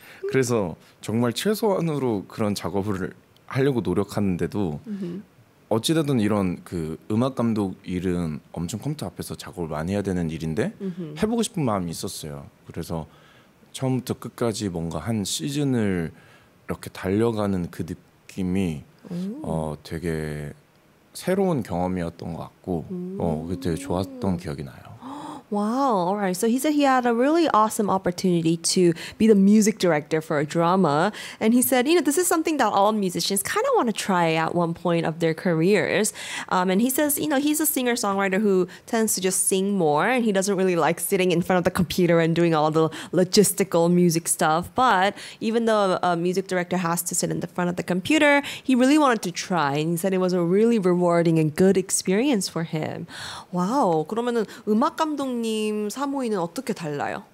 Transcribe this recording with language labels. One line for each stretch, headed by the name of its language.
Korean: 그래서 정말 최소한으로 그런 작업을 하려고 노력하는데도 어찌되든 이런 그 음악 감독 일은 엄청 컴퓨터 앞에서 작업을 많이 해야 되는 일인데 해보고 싶은 마음이 있었어요. 그래서 처음부터 끝까지 뭔가 한 시즌을 이렇게 달려가는 그 느낌이 되게 새로운 경험이었던 것 같고 그게 되게 좋았던 기억이 나요.
English: Wow, all right. So he said he had a really awesome opportunity to be the music director for a drama. And he said, you know, this is something that all musicians kind of want to try at one point of their careers. And he says, you know, he's a singer-songwriter who tends to just sing more. And he doesn't really like sitting in front of the computer and doing all the logistical music stuff. But even though a music director has to sit in the front of the computer, he really wanted to try. And he said it was a really rewarding and good experience for him.
Korean: Wow, 그러면은 음악 감독 님 사무이는 어떻게 달라요?